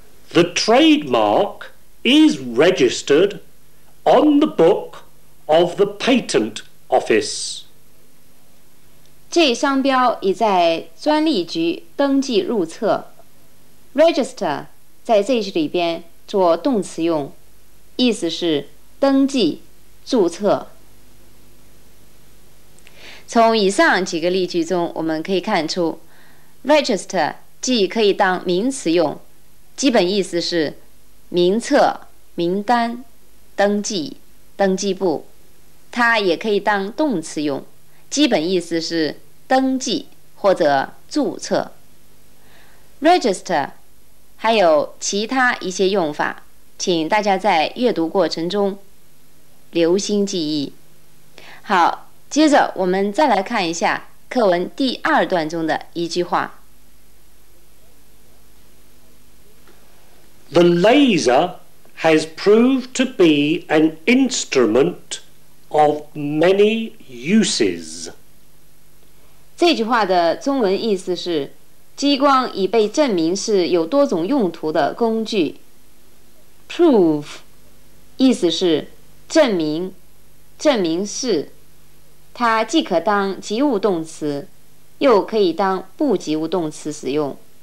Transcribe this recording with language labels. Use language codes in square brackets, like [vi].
[en] The trademark is registered on the book of the patent office. [zh] 这商标已在专利局登记入册。 Register 在这句里边做动词用，意思是登记注册。从以上几个例句中我们可以看出， Register 既可以当名词用，基本意思是名册、名单、登记、登记簿，它也可以当动词用，基本意思是登记或者注册。 Register 还有其他一些用法，请大家在阅读过程中留心记忆。好，接着我们再来看一下课文第二段中的一句话。 [en] The laser has proved to be an instrumentOf many uses. [zh] 这句话的中文意思是，激光已被证明是有多种用途的工具。 Prove， 意思是证明，证明是。它既可当及物动词，又可以当不及物动词使用。